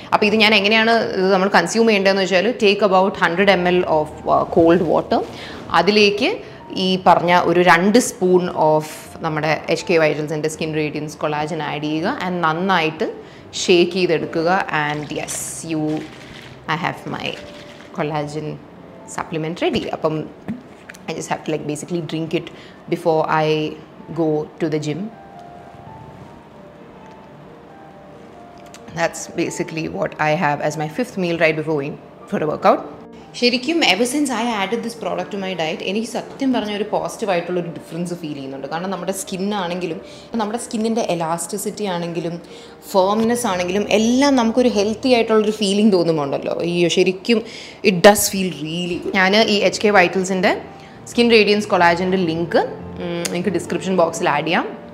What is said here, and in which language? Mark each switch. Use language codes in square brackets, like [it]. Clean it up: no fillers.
[ml] അപ്പോൾ ഇത് ഞാൻ എങ്ങനെയാണ് ഇത് നമ്മൾ കൺസ്യൂം ചെയ്യേണ്ടതെന്ന് വെച്ചാൽ, [en] take about 100 ml of cold water, [ml] അതിലേക്ക് ഈ പറഞ്ഞ ഒരു 2 spoon ഓഫ് നമ്മുടെ H K വൈറ്റൽസിൻ്റെ skin radians collagen add ചെയ്യുക ആൻഡ് നന്നായിട്ട് ഷേക്ക് ചെയ്തെടുക്കുക. [en] And yes, you I have my collagen supplement ready. Appam, I just have to like basically drink it before I go to the gym. That's basically what I have as my fifth meal right before going for a workout. [ml] ശരിക്കും [en] ever since I added this product to my diet [ml] എനിക്ക് സത്യം പറഞ്ഞ ഒരു positive ആയിട്ടുള്ളൊരു difference feel ചെയ്യുന്നുണ്ട്. കാരണം നമ്മുടെ സ്കിന്നാണെങ്കിലും നമ്മുടെ സ്കിന്നിൻ്റെ എലാസ്റ്റിസിറ്റി ആണെങ്കിലും ഫേംനെസ് ആണെങ്കിലും എല്ലാം നമുക്കൊരു ഹെൽത്തി ആയിട്ടുള്ളൊരു ഫീലിംഗ് തോന്നുമുണ്ടല്ലോ. അയ്യോ ശരിക്കും [en] It does feel really. [ml] ഞാൻ ഈ H K വൈറ്റൽസിൻ്റെ skin radians കൊളാജൻ്റെ link എനിക്ക് ഡിസ്ക്രിപ്ഷൻ ബോക്സിൽ ആഡ് ചെയ്യാം.